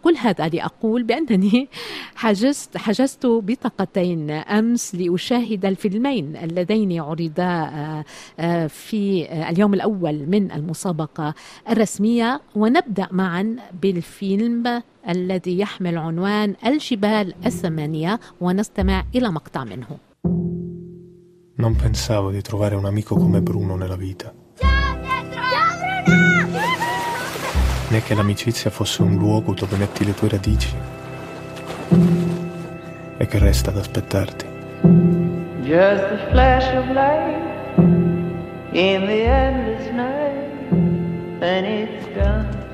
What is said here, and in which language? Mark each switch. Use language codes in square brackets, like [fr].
[ar] كل هذا لأقول بأنني حجزت بطاقتين أمس لأشاهد الفيلمين اللذين عرضا في اليوم الأول من المسابقة الرسمية. ونبدأ معا بالفيلم الذي يحمل عنوان الجبال الثمانية ونستمع إلى مقطع منه. [it] Non pensavo di trovare un amico come Bruno nella vita. Ciao Pietro! Ciao Bruno! Né che l'amicizia fosse un luogo dove metti le tue radici e che resta ad aspettarti. [en] Just the flash of light in the endless night and it's gone.